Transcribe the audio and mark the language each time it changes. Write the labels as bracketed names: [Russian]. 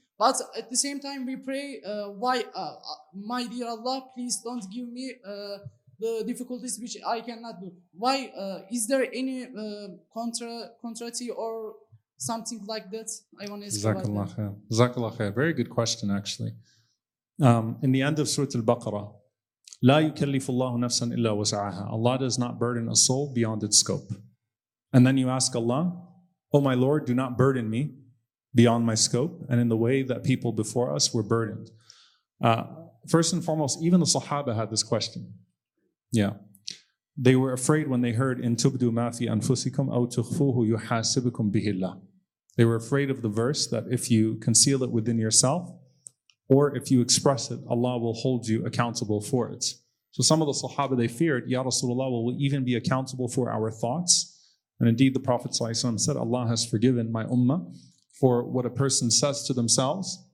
[English] But at the same time, we pray, my dear Allah, please don't give me the difficulties which I cannot do. Why? Is there any contrary or something like that? I want to ask about that. Jazakallah khair. Very good question, actually. In the end of Surah Al-Baqarah, [Arabic] لا يكلف الله نفسا إلا وسعها. [English] Allah does not burden a soul beyond its scope. And then you ask Allah, oh my Lord, do not burden me beyond my scope and in the way that people before us were burdened. First and foremost, even the Sahaba had this question. Yeah. They were afraid when they heard, [Arabic] إن تبدو ما في أنفسكم أو تخفوه يحاسبكم به الله. [English] They were afraid of the verse that if you conceal it within yourself, or if you express it, Allah will hold you accountable for it. So some of the Sahaba, they feared, Ya Rasulullah, will we even be accountable for our thoughts? And indeed, the Prophet ﷺ said, Allah has forgiven my ummah for what a person says to themselves.